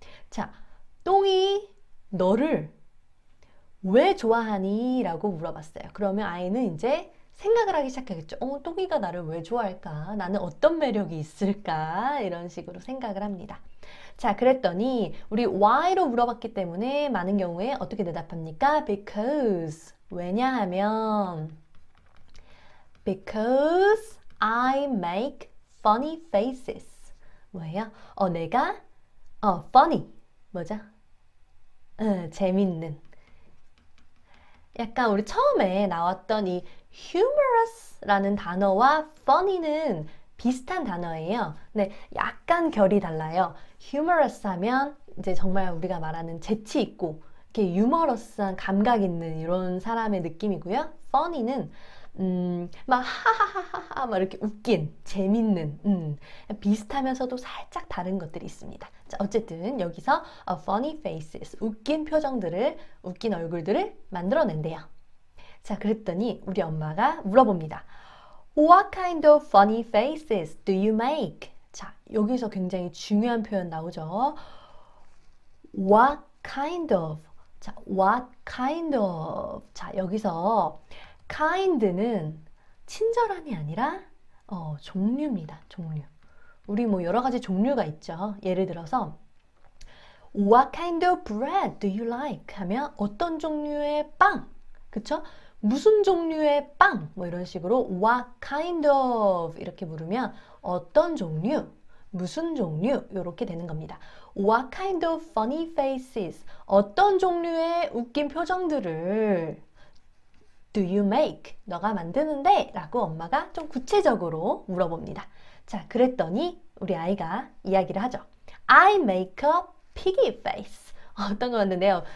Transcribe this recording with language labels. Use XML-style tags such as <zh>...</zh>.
<ko>자, 똥이 너를 왜 좋아하니? 라고 물어봤어요. 그러면 아이는 이제 생각을 하기 시작하겠죠. 똥이가 나를 왜 좋아할까? 나는 어떤 매력이 있을까? 이런 식으로 생각을 합니다. 자, 그랬더니 우리 why로 물어봤기 때문에 많은 경우에 어떻게 대답합니까?</ko> <en>Because. 왜냐하면 because I make funny faces.</en> <ko>뭐예요? 내가 funny. 뭐죠? 재밌는. 약간 우리 처음에 나왔던 이 humorous라는 단어와 funny는 비슷한 단어예요. 근데 약간 결이 달라요. humorous 하면 이제 정말 우리가 말하는 재치 있고 이렇게 유머러스한 감각 있는 이런 사람의 느낌이고요. Funny는 막 하하하하하 막 이렇게 웃긴, 재밌는, 비슷하면서도 살짝 다른 것들이 있습니다. 자, 어쨌든 여기서 a funny faces, 웃긴 표정들을, 웃긴 얼굴들을 만들어낸대요. 자, 그랬더니 우리 엄마가 물어봅니다.</ko> <en>What kind of funny faces do you make?</en> <ko>자, 여기서 굉장히 중요한 표현 나오죠.</ko> <en>What kind of? 자, what kind of?</en> <ko>자, 여기서 kind는 친절함이 아니라 종류입니다. 종류. 우리 뭐 여러 가지 종류가 있죠.</ko> <en>예를 들어서 what kind of bread do you like?</en> <ko>하면 어떤 종류의 빵? 그쵸? 무슨 종류의 빵? 뭐 이런 식으로 what kind of 이렇게 물으면 어떤 종류? 무슨 종류? 이렇게 되는 겁니다.</ko> <en>What kind of funny faces?</en> <ko>어떤 종류의 웃긴 표정들을 do you make? 너가 만드는데? 라고 엄마가 좀 구체적으로 물어봅니다. 자, 그랬더니 우리 아이가 이야기를 하죠.</ko> <en>I make a piggy face. 어떤 거 만드는데요?</en>